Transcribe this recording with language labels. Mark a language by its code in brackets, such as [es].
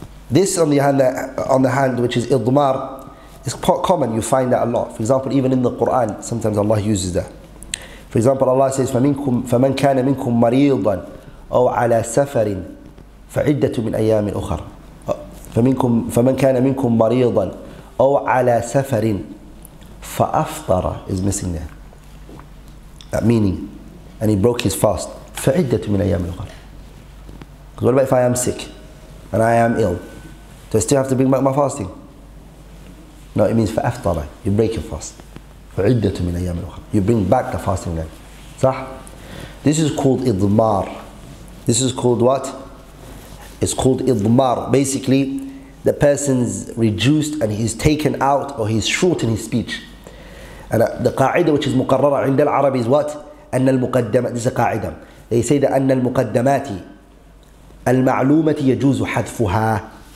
[en] This on the hand, which is idmar, is quite common. You find that a lot. For example, even in the Quran, sometimes Allah uses that. For example, Allah says, [ar] فَمَنْ كَانَ مِنْكُمْ مَرِيضًا أَوْ عَلَى سَفَرٍ فَعِدَّةُ مِنْ أَيَّامٍ أُخَرٍ فَمَنْ كَانَ مِنْكُمْ مَرِيضًا أَوْ عَلَى سَفَرٍ فَأَفْطَرَ [en] is missing there. That meaning, and he broke his fast. [ar] فَعِدَّةُ مِنْ أَيَّامٍ أُخَرٍ. [en] Because what about if I am sick and I am ill? Do I still have to bring back my fasting? No, it means فَأَفْطَرَ, you break your fast. [ar] فَعِدَّةُ مِنْ أَيَّامٍ أُخَرٍ. [en] You bring back the fasting then. صح? This is called idmar. This is called what? It's called idmar. Basically, the person's reduced and he's taken out or he's short in his speech. And the qa'idah which is [ar] مقررة عند العرب [en] is what? [ar] أن المقدمات. [en] This is a qa'idah. They say that [ar] أن المقدمات المعلومة يجوز حذفها.